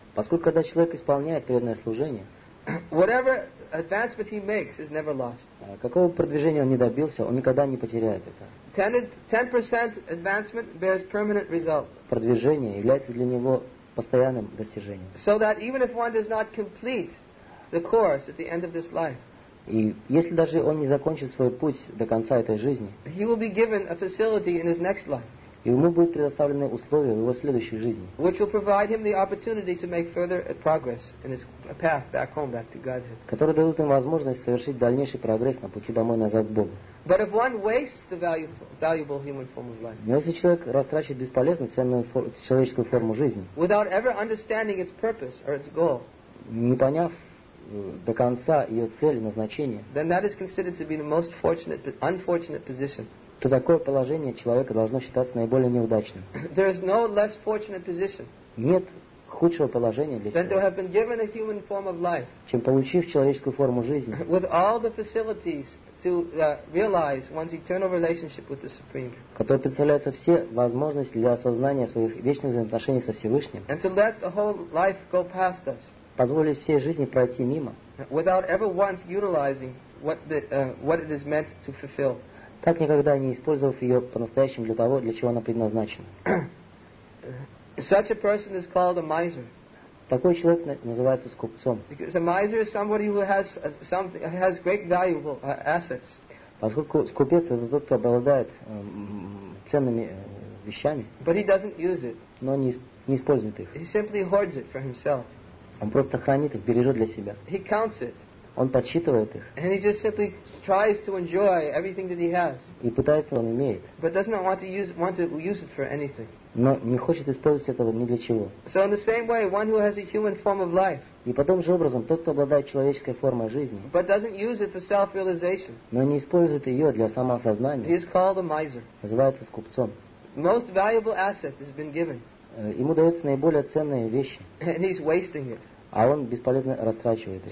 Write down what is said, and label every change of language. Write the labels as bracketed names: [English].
[Russian] Поскольку когда человек исполняет преданное служение, [English] whatever advancement he makes is never lost. [Russian] Какого продвижения он не добился, он никогда не потеряет это. [English] 10% advancement bears permanent result. [Russian] Продвижение является для него постоянным достижением. [English] So that even if one does not complete the course at the end of this life. [Russian] И если даже он не закончит свой путь до конца этой жизни, [English] he will be given a facility in his next life. [Russian] И ему будут предоставлены условия в его следующей жизни. [English] Which will provide him the opportunity to make further progress in his path back home, back to Godhead. [Russian] Которые дадут ему возможность совершить дальнейший прогресс на пути домой назад к Богу. [English] But if one wastes the valuable human form of life. [Russian] Но если человек растрачивает бесполезную ценную человеческую форму жизни. [English] Without ever understanding its purpose or its goal. [Russian] Не поняв до конца ее цели, назначения. [English] Then that is considered to be the most fortunate, unfortunate position. [Russian] То такое положение человека должно считаться наиболее неудачным. [English] There is no less fortunate position. [Russian] Нет худшего положения для человека, [English] than to have been given a human form of life. [Russian] Чем получив человеческую форму жизни. [English] With all the facilities to realize one's eternal relationship with the Supreme. [Russian] Которые представляются все возможности для осознания своих вечных взаимоотношений со Всевышним. [English] And to let the whole life go past us. [Russian] Позволить всей жизни пройти мимо. [English] Without ever once utilizing what it is meant to fulfill. [Russian] Так никогда не использовав ее по-настоящему для того, для чего она предназначена. [English] Such a person is called a miser. [Russian] Такой человек называется скупцом. [English] Because a miser is somebody who has something, has great valuable assets. [Russian] Поскольку скупец это тот, кто обладает ценными вещами. [English] But he doesn't use it. [Russian] Но не использует их. [English] He simply hoards it for himself. [Russian] Он просто хранит их, бережет для себя. [English] He counts it. [Russian] Он подсчитывает их. [English] And he just simply tries to enjoy everything that he has. [Russian] И пытается, он имеет. [English] But does not want to use it for anything. [Russian] Но не хочет использовать этого ни для чего. [English] So in the same way, one who has a human form of life. [Russian] И по тому же образом, тот, кто обладает человеческой формой жизни, [English] but doesn't use it for self-realization. [Russian] Но не использует ее для самоосознания. [English] He is called a miser. [Russian] Называется скупцом. [English] Most valuable asset has been given. [Russian] Ему даются наиболее ценные вещи. [English] And he's wasting it. [Russian] А он бесполезно растрачивает их.